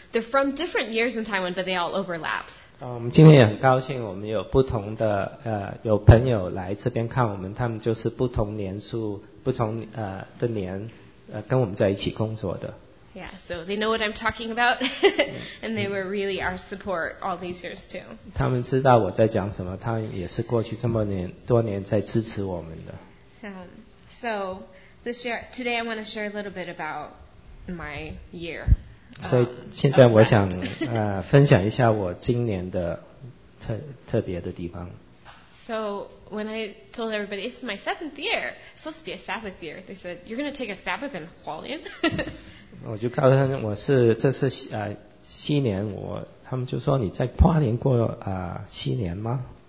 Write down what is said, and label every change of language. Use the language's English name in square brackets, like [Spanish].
[English] They're from different years in Taiwan, but they all overlapped. [Chinese] 我们今天也很高兴，我们有不同的有朋友来这边看我们，他们就是不同年数、不同的年跟我们在一起工作的。 [English] Yeah, so they know what I'm talking about, and they were really our support all these years too. [Chinese] 他们知道我在讲什么，他也是过去这么年多年在支持我们的。 [English] So this year, today I want to share a little bit about my year. [Chinese] 所以现在我想分享一下我今年的特别的地方。 [English] So when I told everybody it's my seventh year, supposed to be a Sabbath year, they said you're going to take a Sabbath in Hualien. [Chinese] 我就告诉他们我是这是西年，我他们就说你在花莲过西年吗？